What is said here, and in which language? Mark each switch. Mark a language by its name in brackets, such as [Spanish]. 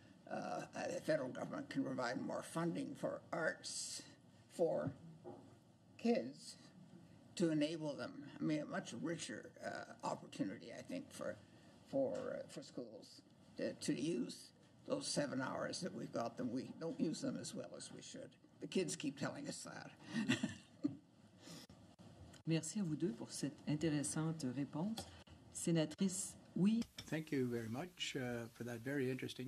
[English] The federal government can provide more funding for arts for kids to enable them. I mean, a much richer opportunity, I think, for schools to use those 7 hours that we've got them. We don't use them as well as we should. The kids keep telling us that. [French] Merci à vous deux pour cette intéressante réponse. Sénatrice [English] We thank you very much for that very interesting.